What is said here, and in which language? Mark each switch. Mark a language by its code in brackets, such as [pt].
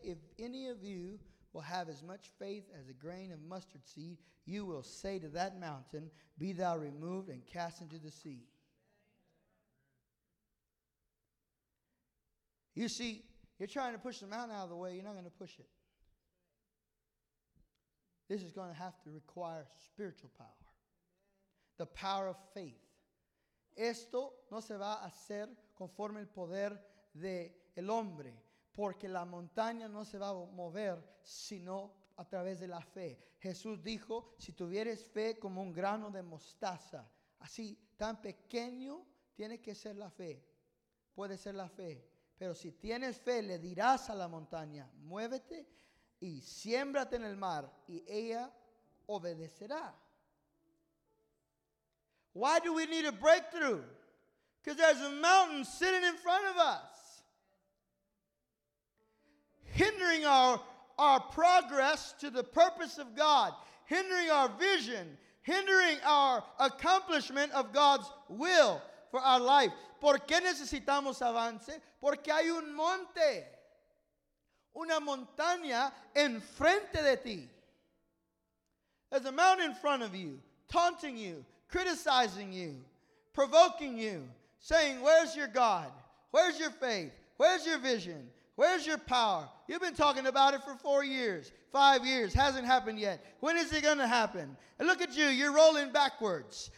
[en] If any of you will have as much faith as a grain of mustard seed, you will say to that mountain, be thou removed and cast into the sea. You see, you're trying to push the mountain out of the way. You're not going to push it. This is going to have to require spiritual power. The power of faith. [es] Esto no se va a hacer conforme el poder de el hombre. Porque la montaña no se va a mover sino a través de la fe. Jesús dijo, si tuvieres fe como un grano de mostaza. Así, tan pequeño tiene que ser la fe. Puede ser la fe. Pero si tienes fe, le dirás a la montaña, muévete y siémbrate en el mar y ella obedecerá. [en] Why do we need a breakthrough? Because there's a mountain sitting in front of us. Hindering our progress to the purpose of God, hindering our vision, hindering our accomplishment of God's will for our life. [es] ¿Por qué necesitamos avance? Porque hay un monte, una montaña enfrente de ti. [en] There's a mountain in front of you, taunting you, criticizing you, provoking you, saying, where's your God? Where's your faith? Where's your vision? Where's your power? You've been talking about it for 4 years, 5 years. Hasn't happened yet. When is it going to happen? And look at you. You're rolling backwards.